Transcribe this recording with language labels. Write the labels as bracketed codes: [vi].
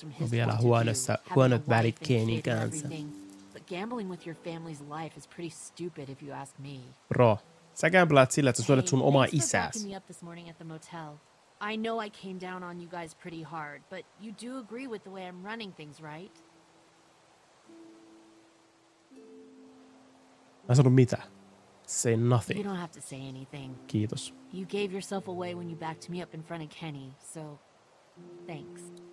[fi] Vielä huonot välit Kennyn kanssa. [en] Gambling with your family's life is pretty stupid if you ask me. [fi] Bro, sä gamblaat sillä, että sä suojelet sun omaa isääs. [en] Me up this morning at the motel. I know I came down on you guys pretty hard, but you do agree with the way I'm running things, right? [fi] Mä sanon mitä? [en] Say nothing. You don't have to say anything. [fi] Kiitos. [en] You gave yourself away when you backed me up in front of Kenny, so thanks.